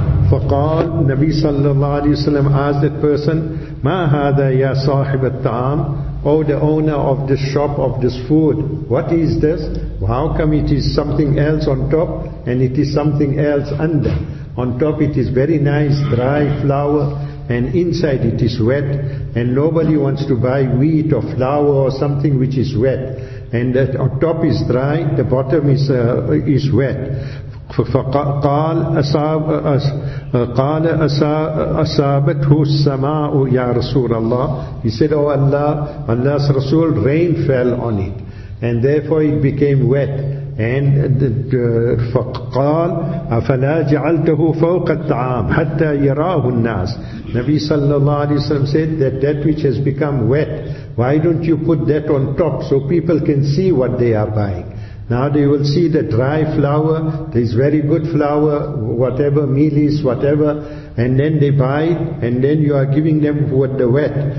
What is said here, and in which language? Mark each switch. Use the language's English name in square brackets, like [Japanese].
[Arabic] فقال نبي صلى الله عليه وسلم [English] asked that person [Arabic] ما هذا يا صاحب الطعام, [English] oh the owner of this shop of this food, what is this, how come it is something else on top and it is something else under? On top it is very nice dry flour and inside it is wet, and nobody wants to buy wheat or flour or something which is wet, and that on top is dry, the bottom is wet. [Arabic] فقال أصاب قال أصابته السماء يا رسول الله. [English] He said, oh Allah, Allah's Rasul, rain fell on it, and therefore it became wet. [Arabic] And فقال أفلا جعلته فوق الطعام حتى يراه الناس. [English] Nabi sallallahu alayhi wa sallam said that which has become wet, why don't you put that on top so people can see what they are buying? Now they will see the dry flour, this very good flour, whatever meal is, whatever, and then they buy it, and then you are giving them what the wet.